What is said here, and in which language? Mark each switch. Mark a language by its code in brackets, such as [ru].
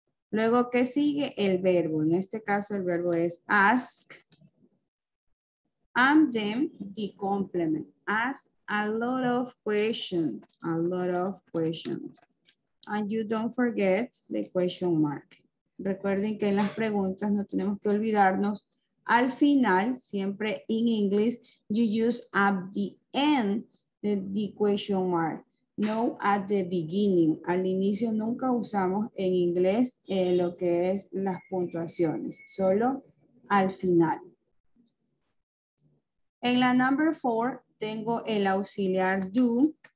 [es] Luego, ¿qué sigue? El verbo. En este caso, el verbo es ask. [en] And then, the complement. Ask a lot of questions. A lot of questions. And you don't forget the question mark. [es] Recuerden que en las preguntas no tenemos que olvidarnos. Al final, siempre [en] in English, you use at the end the question mark, no at the beginning. [es] Al inicio nunca usamos en inglés lo que es las puntuaciones, solo al final. En la [en] number four, [es] tengo el auxiliar do.